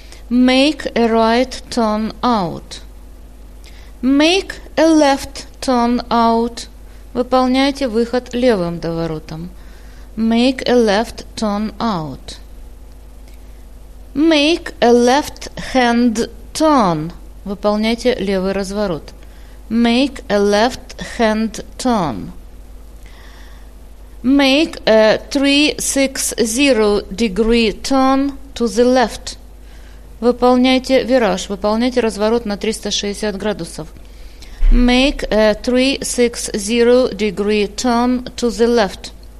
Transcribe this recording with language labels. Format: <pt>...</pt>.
<en>Make a right turn out. Make a left turn out.</en> <ru>Выполняйте выход левым доворотом.</ru> <en>Make a left turn out. Make a left hand turn.</en> <ru>Выполняйте левый разворот.</ru> <en>Make a left hand turn. Make a 360 degree turn to the left.</en> <ru>Выполняйте вираж, выполняйте разворот на 360 градусов.</ru> <en>Make a 360 degree turn to the left.</en>